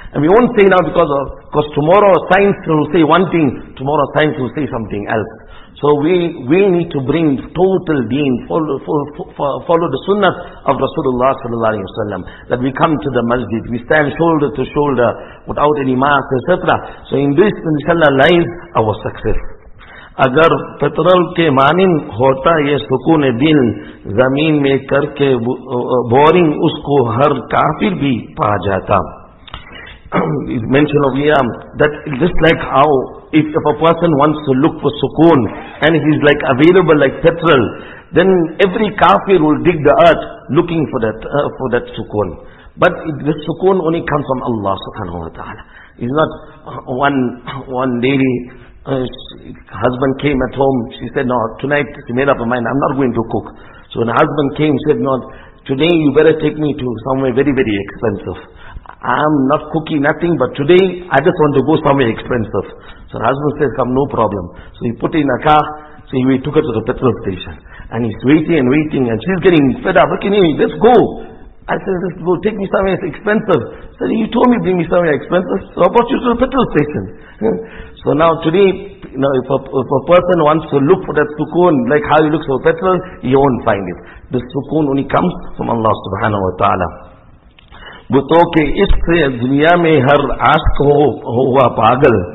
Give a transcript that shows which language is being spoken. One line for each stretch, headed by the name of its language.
English: And we won't say now because tomorrow science will say one thing, tomorrow science will say something else. So we need to bring total deen, follow the sunnah of Rasulullah sallallahu alayhi wa sallam. That we come to the masjid, we stand shoulder to shoulder without any mask, etc. So in this, inshallah, lies our success.
Urdu: اگر پترل کے مانند ہوتا یہ سکون دل زمین میں کر کے بورنگ اس کو ہر کافر بھی پا جاتا.
English: Mention of here that just like how if a person wants to look for sukoon and he is like available like petrol, then every kafir will dig the earth looking for that sukoon. But this sukoon only comes from Allah subhanahu wa ta'ala. It's not one lady. Husband came at home. She said, no, tonight she made up her mind, I'm not going to cook. So when the husband came, she said, no, today you better take me to somewhere very, very expensive. I'm not cooking nothing, but today I just want to go somewhere expensive. So the husband said, come, no problem. So he put in a car, so he took her to the petrol station. And he's waiting and waiting, and she's getting fed up. Okay, anyway, let's go. I said, let's go, take me somewhere expensive. So you told me bring me somewhere expensive, so I brought you to the petrol station. So now today, you know, if a person wants to look for that sukoon, like how he looks for petrol, he won't find it. The sukoon only comes from Allah subhanahu wa ta'ala.
Urdu: بتوں کے عشق سے دنیا میں ہر عاشق ہوا پاگل.